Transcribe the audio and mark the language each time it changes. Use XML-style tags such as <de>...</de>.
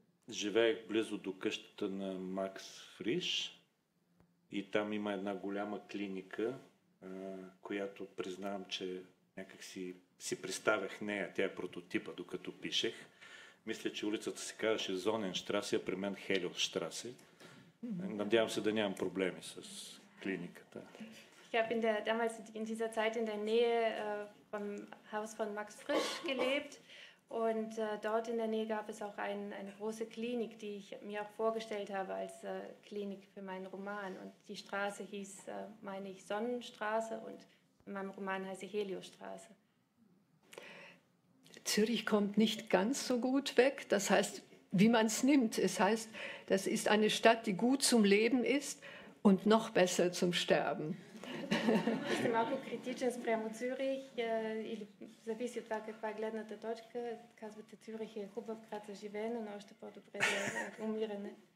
<bg>Живеех близо до къщата на Макс Фриш и там има една голяма клиника, която признавам, че някак си представях нея, тя е прототипа, докато пишех. Мисля, че улицата се казваше Зоненштрасе, а при мен Хелиоштрасе. Надявам се да нямам проблеми с клиниката.</bg> <de>Ich habe in dieser Zeit in der Nähe vom Haus von Max Frisch gelebt. Und dort in der Nähe gab es auch eine große Klinik, die ich mir auch vorgestellt habe als Klinik für meinen Roman. Und die Straße hieß, meine ich, Sonnenstraße und in meinem Roman heißt sie Heliostraße. Zürich kommt nicht ganz so gut weg. Das heißt, wie man es nimmt. Es heißt, das ist eine Stadt, die gut zum Leben ist und noch besser zum Sterben.</de> <bg>Ще малко критичен спрямо Цюрих или зависи от това каква е гледната точка. Казвате, Цюрих е хубав град за живеене, но още по-добре за умиране.</bg>